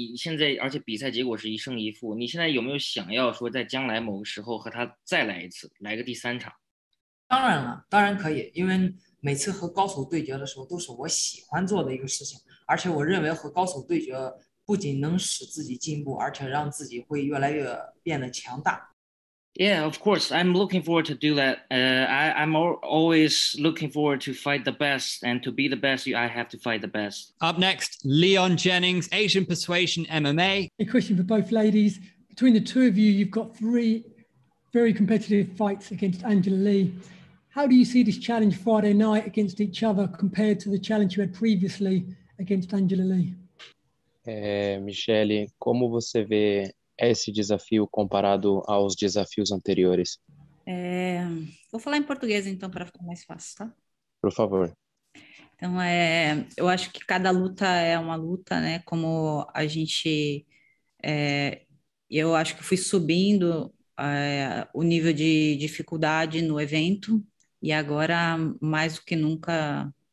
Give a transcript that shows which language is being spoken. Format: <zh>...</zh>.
<zh>金南，你和那个李胜珠已经打过两次了，然后你现在，而且比赛结果是一胜一负。你现在有没有想要说在将来某个时候和他再来一次，来个第三场？当然了，当然可以，因为每次和高手对决的时候都是我喜欢做的一个事情。而且我认为和高手对决不仅能使自己进步，而且让自己会越来越变得强大。</zh> <en>Yeah, of course. I'm looking forward to do that. I'm always looking forward to fight the best, and to be the best, I have to fight the best. Up next, Leon Jennings, Asian Persuasion MMA. A question for both ladies. Between the two of you, you've got three very competitive fights against Angela Lee. How do you see this challenge Friday night against each other compared to the challenge you had previously against Angela Lee?</en> <pt>Michelle, como você vê esse desafio comparado aos desafios anteriores? Vou falar em português, então, para ficar mais fácil, tá? Por favor. Então, eu acho que cada luta é uma luta, né? Como a gente... eu acho que fui subindo o nível de dificuldade no evento e agora, mais do que nunca...</pt>